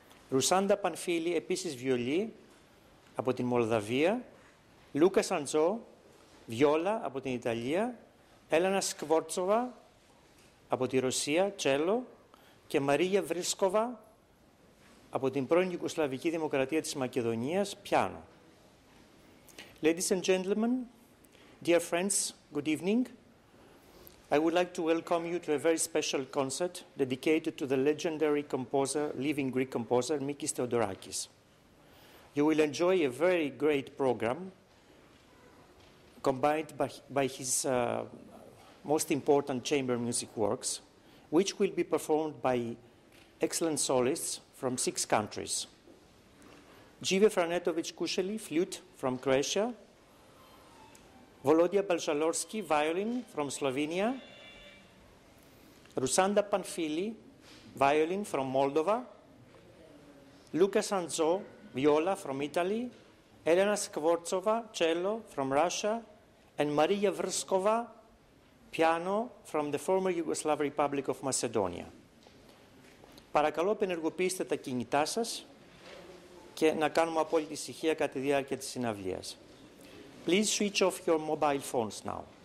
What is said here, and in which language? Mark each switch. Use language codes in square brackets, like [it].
[el] Ρουσάντα Πανφίλη, επίσης βιολί, από την Μολδαβία. Λούκα Σαντζό, βιόλα, από την Ιταλία. Έλενα Σκβόρτσοβα, από τη Ρωσία, τσέλο. Και Μαρία Βρίσκοβα, από την πρώην Ιουγκοσλαβική Δημοκρατία της Μακεδονίας, πιάνο. [en] Ladies and gentlemen, dear friends, good evening. I would like to welcome you to a very special concert dedicated to the legendary composer, living Greek composer, Mikis Theodorakis. You will enjoy a very great program combined by his most important chamber music works, which will be performed by excellent soloists from 6 countries. Dzive Franetovich Kuseli, flute from Croatia. Volodya Balzalorski, violin from Slovenia. Rusanda Panfili, violin from Moldova. Luka Sanzo, viola from Italy. Elena Skvortsova, cello from Russia. And Maria Vrskova, piano from the former Yugoslav Republic of Macedonia. [el] Παρακαλώ, απενεργοποιήστε τα κινητά σας και να κάνουμε απόλυτη ησυχία κατά τη διάρκεια της συναυλίας. [en] Please switch off your mobile phones now.